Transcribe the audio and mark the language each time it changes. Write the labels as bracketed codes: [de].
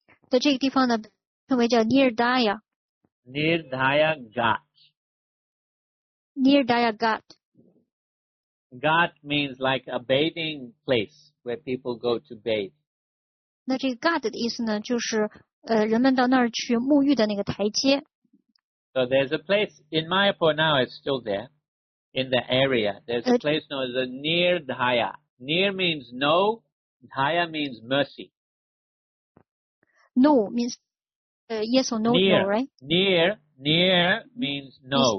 [zh] 在这个地方呢，称为叫 Nirdaya. [en] Nirdaya Ghat. Nirdaya Ghat. Ghat means like a bathing place where people go to bathe. [zh] 那这个 Ghat 的意思呢，就是人们到那儿去沐浴的那个台阶。 [en] So there's a place in Mayapur now, it's still there, in the area. There's a place known as a near dhaya. Near means no, dhaya means mercy. No means yes or no, near, no, right? Near means no.